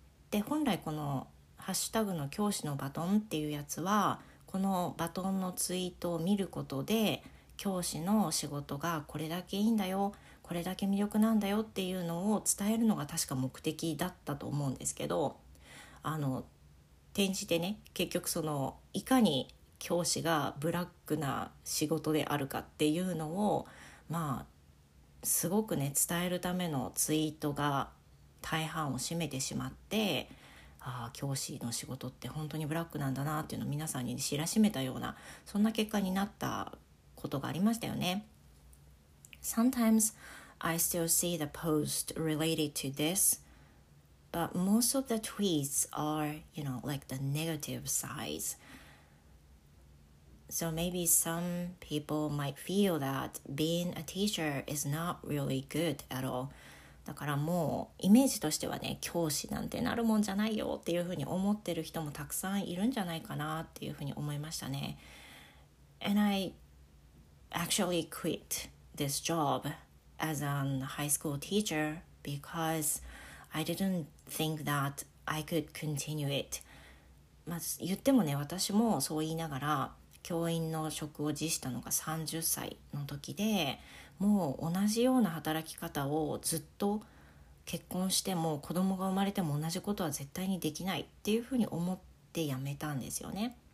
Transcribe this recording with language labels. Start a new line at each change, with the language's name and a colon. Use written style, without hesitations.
Japanese: で、本来このハッシュタグの教師のバトンっていうやつは、このバトンのツイートを見ることで教師の仕事がこれだけいいんだよ、これだけ魅力なんだよっていうのを伝えるのが確か目的だったと思うんですけど、あの転じてね、結局そのいかに教師がブラックな仕事であるかっていうのを、まあすごくね伝えるためのツイートが大半を占めてしまって、ああ教師の仕事って本当にブラックなんだなっていうのを皆さんに知らしめたような、そんな結果になったことがありましたよね。
English: Sometimes I still see the post related to this, but most of the tweets are, you know, like the negative sides. So maybe some people might feel that being a teacher is not really good at all.
Japanese: だからもうイメージとしてはね、教師なんてなるもんじゃないよっていうふうに思ってる人もたくさんいるんじゃないかなっていうふうに思いましたね。
English: And I actually quit this job as a high school teacher because I didn't think that I could continue it.
Japanese: まあ言ってもね、私もそう言いながら教員の職を辞したのが30歳の時で、もう同じような働き方をずっと、結婚しても子供が生まれても同じことは絶対にできないっていうふうに思って辞めたんですよね。